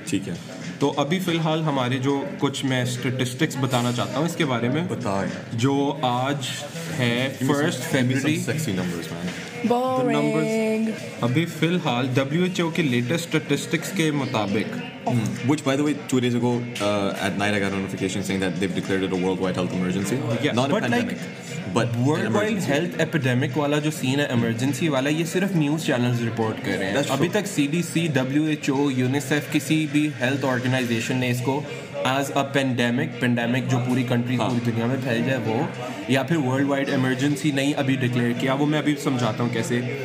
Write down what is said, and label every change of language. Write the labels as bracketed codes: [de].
[hi] ठीक है तो अभी फिलहाल हमारे जो कुछ मैं स्टैटिस्टिक्स बताना चाहता हूँ इसके बारे में बताए जो आज है 1 फरवरी अभी फिलहाल WHO के लेटेस्ट स्टैटिस्टिक्स के मुताबिक [en] Which, by the way, 2 days ago at night, I got a notification saying that they've declared it a worldwide health emergency. Yeah, not but a pandemic, like, but [hi] worldwide health epidemic वाला जो scene है emergency वाला ये सिर्फ news channels report कर रहे हैं. अभी तक CDC, WHO, UNICEF किसी भी health organization ने इसको as a pandemic जो पूरी country पूरी दुनिया में फैल जाए वो या फिर worldwide emergency नहीं अभी declare किया वो मैं अभी समझाता हूँ कैसे.